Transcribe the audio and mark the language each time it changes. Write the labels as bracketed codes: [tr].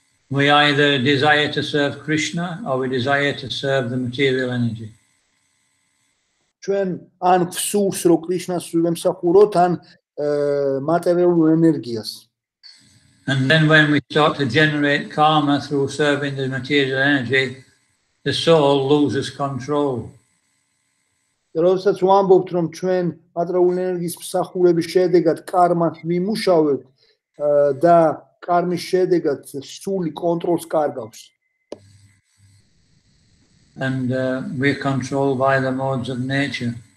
[en] We either desire to serve Krishna or we desire to serve the material energy. [ka] ჩვენ ან ვსურს რომ კრიშნას ვემსახუროთ ან მატერიალურ ენერგიას. [en] And then when we start to generate karma through serving the material energy, the soul loses control. [ka] როდესაც ვამბობთ რომ ჩვენ მატერიალური ენერგიის მსახურების შედეგად კარმას ვიმუშავებთ და კარმის შედეგად სული კონტროლს კარგავს. [en] And we are controlled by the modes of nature.